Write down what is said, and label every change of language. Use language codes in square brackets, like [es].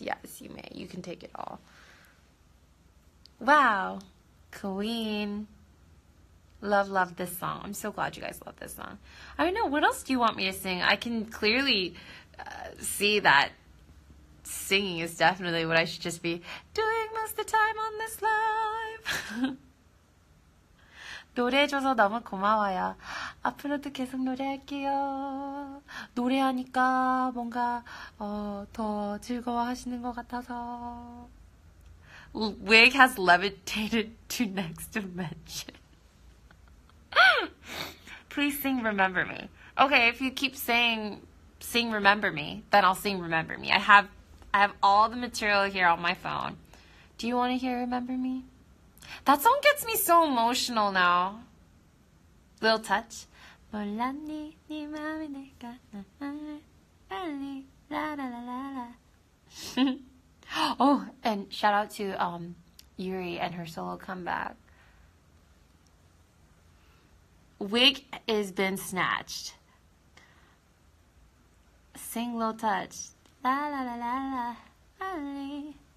[en] Yes, you may. You can take it all. Wow. Queen. Love, love this song. I'm so glad you guys love this song. I don't know. What else do you want me to sing? I can clearly see that singing is definitely what I should just be doing most of the time on this live. [ko] 노래해줘서 너무 고마워요. 앞으로도 계속 노래할게요. 노래하니까 뭔가 더 즐거워하시는 것 같아서. [en] Wig has levitated to next dimension. Please sing Remember Me. Okay, if you keep saying sing Remember Me, then I'll sing Remember Me. I have all the material here on my phone. Do you want to hear Remember Me? That song gets me so emotional now. Little touch. [ko] 몰랐니 네 마음이 내가 빨리 라라라라라. [en] Oh, and shout out to Yuri and her solo comeback. Wig has been snatched. Sing Little Touch. La la la la la. Ali.